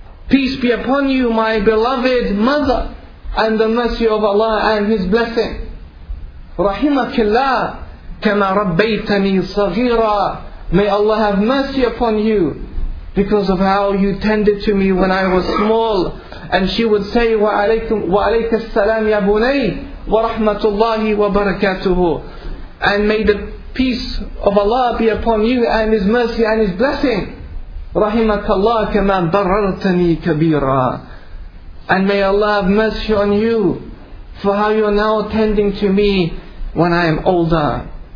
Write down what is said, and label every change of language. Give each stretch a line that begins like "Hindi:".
English: Peace be upon you, my beloved mother, and the mercy of Allah and His blessing.
Arabic: رَحِمَكِ اللَّهِ كَمَا رَبَّيْتَنِي صَغِيرًا.
English: May Allah have mercy upon you because of how you tended to me when I was small. And she would say,
Arabic: وَعَلَيْكَ السَّلَامِ يَا بُنَيْ وَرَحْمَةُ اللَّهِ وَبَرَكَاتُهُ.
English: And may the peace of Allah be upon you and His mercy and His blessing.
Arabic: رَحِمَكَ اللَّهِ كَمَا بَرَّرْتَنِي كَبِيرًا.
English: And may Allah have mercy on you for how you are now tending to me when I am older.